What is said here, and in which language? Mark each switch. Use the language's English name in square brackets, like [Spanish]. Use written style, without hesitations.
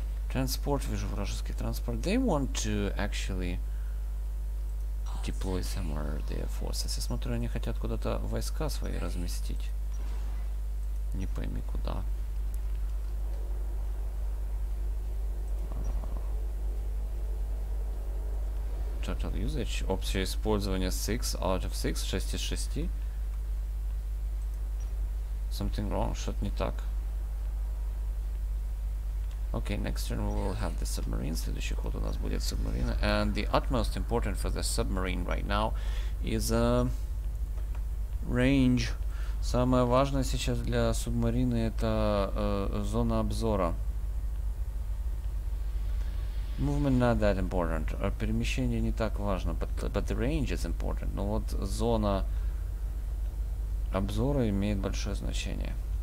[Russian] Транспорт, вижу вражеский транспорт. [English] They want to actually deploy somewhere their forces. [Russian] Я смотрю, они хотят куда-то войска свои разместить. Не пойми куда. [English] Total usage. [Russian] Опция использования [English] 6 out of 6, [Russian] 6 из 6. [English] Something wrong, [Russian] что-то не так. [English] Okay, next turn we will have the submarine. [Russian] Следующий ход у нас будет submarine. [English] And the utmost important for the submarine right now is range. [Russian] Самое важное сейчас для субмарины это зона обзора. [English] Movement not that important. [Russian] Перемещение не так важно, [English] but the range is important. [Russian] Но вот зона обзора имеет большое значение.